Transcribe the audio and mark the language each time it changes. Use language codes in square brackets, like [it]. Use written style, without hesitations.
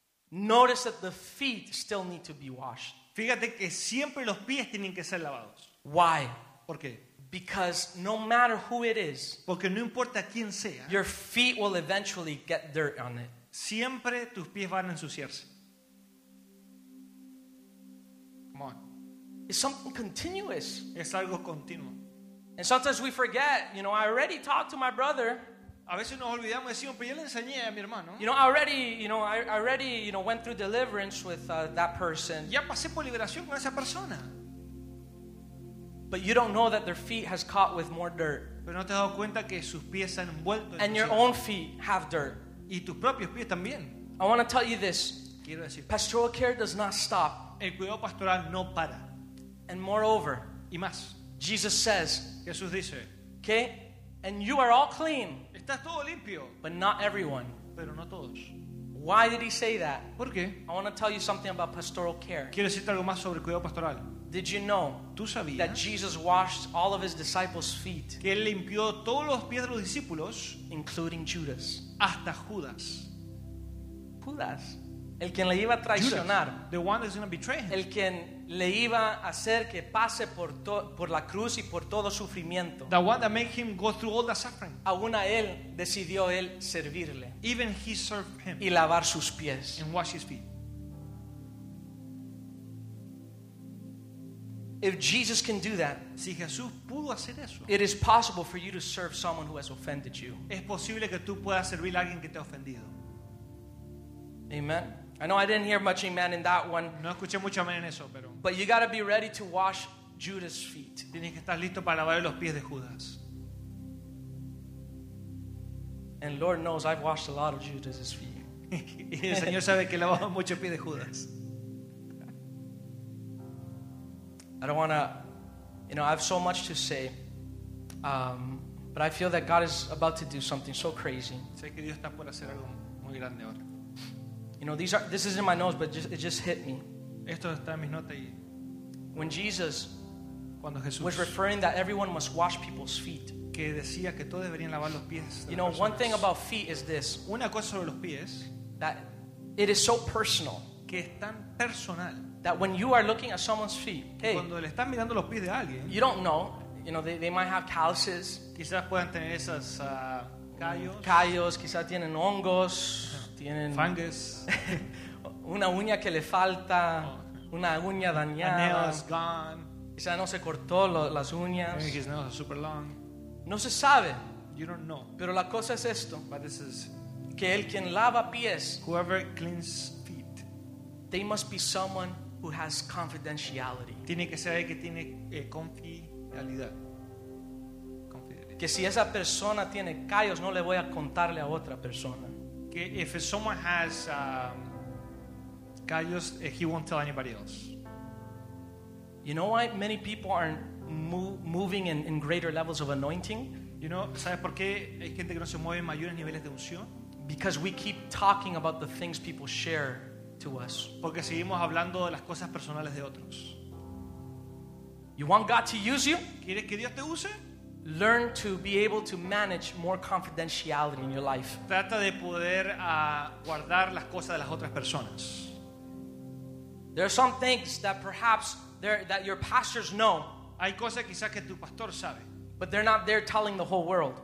[en] notice that the feet still need to be washed. [es] Fíjate que siempre los pies tienen que ser lavados. [en] Why? [es] ¿Por qué? [en] Because no matter who it is, [es] porque no importa quién sea, [en] your feet will eventually get dirt on it. [es] Siempre tus pies van a ensuciarse. [en] It's something continuous. [es] Es algo continuo. [en] And sometimes we forget, you know, I already talked to my brother. [es] A veces nos olvidamos, decimos, pero yo le enseñé a mi hermano. [en] You know, I already went through deliverance with that person. [es] Ya pasé por liberación con esa persona. [en] But you don't know that their feet has caught with more dirt. [es] Pero no te has dado cuenta que sus pies se han envuelto en [en] And your own feet have dirt. [es] Y tus propios pies también. [en] I want to tell you this. [es] Quiero decir, [en] pastoral care does not stop. [es] El cuidado pastoral no para. [en] And moreover, [es] y más, [en] Jesus says, [es] Jesús dice, [en] okay, and you are all clean, [es] estás todo limpio, [en] but not everyone. [es] Pero no todos. [en] Why did he say that? [es] ¿Por qué? [en] I want to tell you something about pastoral care. [es] Quiero decirte algo más sobre cuidado pastoral. [en] Did you know, [es] ¿tú sabías? [en] That Jesus washed all of his disciples' feet, [es] que él limpió todos los pies de los discípulos, [en] including Judas, [es] hasta Judas. Judas. El quien le iba a traicionar. [en] Judas, the one that's going to betray him. [es] El quien le iba a hacer que pase por la cruz y por todo sufrimiento. [en] The one that made him go through all the suffering. [es] Aún a él decidió él servirle. [en] Even he served him. [es] Y lavar sus pies. [en] And wash his feet. If Jesus can do that, [es] si Jesús pudo hacer eso, [en] it is possible for you to serve someone who has offended you. [es] Es posible que tú puedas servir a alguien que te ha ofendido. [en] Amen. I know I didn't hear much amen in that one. [es] No escuché mucho amen en eso, pero. [en] But you got to be ready to wash Judas' feet. [es] Tienes que estar listo para lavar los pies de Judas. [en] And Lord knows I've washed a lot of Judas' feet. [es] Y el Señor sabe que he lavado muchos pies de Judas. [en] I don't want to, you know, I have so much to say, but I feel that God is about to do something so crazy. [es] Sé que Dios está por hacer algo muy grande ahora. [en] You know, this is in my notes, but it just hit me. [es] Esto está en mis notas y... [en] When Jesus, [es] cuando Jesús, [en] was referring that everyone must wash people's feet. [es] Que decía que todos deberían lavar los pies. [en] You know, [es] personas. [en] One thing about feet is this. [es] Una cosa sobre los pies, [en] that it is so personal. [es] Que es tan personal. [en] That when you are looking at someone's feet, hey, [es] cuando le están mirando los pies de alguien, [en] you don't know. You know, they might have calluses. [es] Quizás puedan tener esas callos. Callos, quizás tienen hongos. Tienen [en] fungus. [es] Una uña que le falta. Una uña dañada. [en] A nail is gone. [es] Quizás no se cortó las uñas. [en] Maybe his nails are super long. [es] No se sabe. [en] You don't know. [es] Pero la cosa es esto. [en] But this is, [es] que el quien lava pies, [en] whoever cleans feet, they must be someone who has confidentiality. [es] Tiene que ser alguien que tiene confidencialidad. Que si esa persona tiene callos, no le voy a contarle a otra persona. [en] Que if someone has callos, he won't tell anybody else. You know why many people aren't moving in greater levels of anointing? You know, [es] ¿sabes por qué hay gente que no se mueve en mayores niveles de unción? [en] Because we keep talking about the things people share to us. [es] Porque seguimos hablando de las cosas personales de otros. [en] You want God to use you? [es] ¿Quieres que Dios te use? [en] Learn to be able to manage more confidentiality in your life. [es] Trata de poder guardar las cosas de las otras personas. [en] There are some things that perhaps that your pastors know. [es] Hay cosas quizás que tu pastor sabe. [en] But they're not there telling the whole world.